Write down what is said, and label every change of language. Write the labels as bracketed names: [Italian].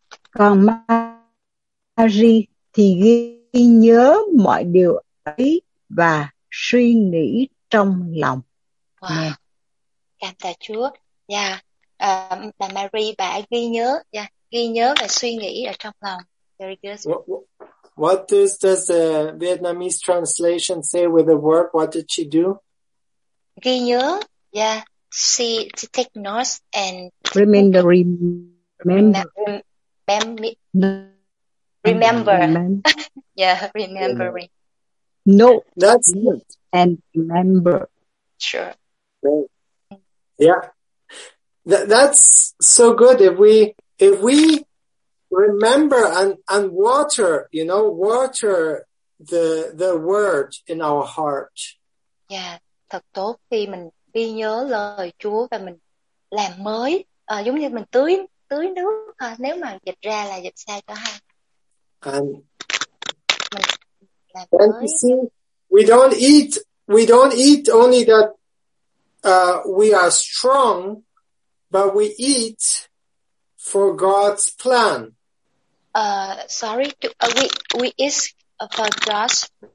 [Vietnamese] Còn Mary thì ghi nhớ mọi điều ấy và suy nghĩ trong lòng. Wow. Cảm tạ Chúa. Dạ, bà Mary bà ghi nhớ và suy nghĩ ở trong lòng. [English] Very good. What does the Vietnamese translation say with the verb? What did she do? [Vietnamese] Ghi nhớ. [English] Yeah. She take notes and remembering. No, that's it. And remember. Sure. Yeah. That's so good. If we remember and water the word in our heart. [Vietnamese] Yeah, thật tốt khi mình ghi nhớ lời Chúa và mình làm mới, giống như mình tưới nước. Nếu mà dịch ra là dịch sao cho hay. [English] And you see, we don't eat only that we are strong, but we eat for God's plan. We eat for God's.